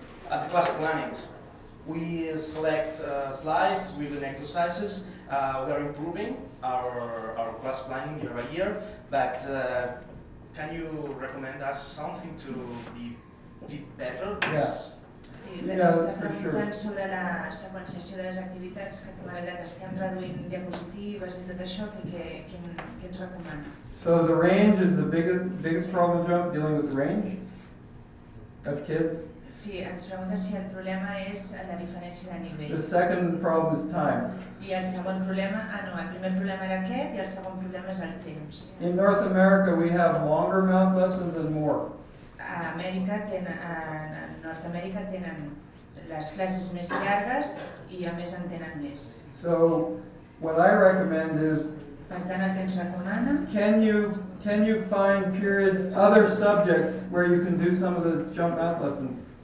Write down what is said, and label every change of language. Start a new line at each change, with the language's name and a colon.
English: At the class plannings, we select slides with an exercises. We are improving our class planning year by year, but can you recommend us something to be better? Yes. Yeah. Yeah, that's for sure.
Catalan: Sobre la seqüenciació de les activitats que com a veritat estem reduint diapositives i tot això, què ens recomana?
English: So the range is the biggest problem, John, dealing with the range of kids.
Catalan: Sí, ens pregunta si el problema és la diferència de nivells.
English: The second problem is time.
Catalan: I el segon problema, el primer problema era aquest i el segon problema és el temps.
English: In North America we have longer math lessons and more.
Catalan: A Nord-Amèrica tenen les classes més llargues i a més en tenen més.
English: So what I recommend is,
Catalan: per tant, el que ens recomana,
English: can you find periods, other subjects where you can do some of the jump math lessons?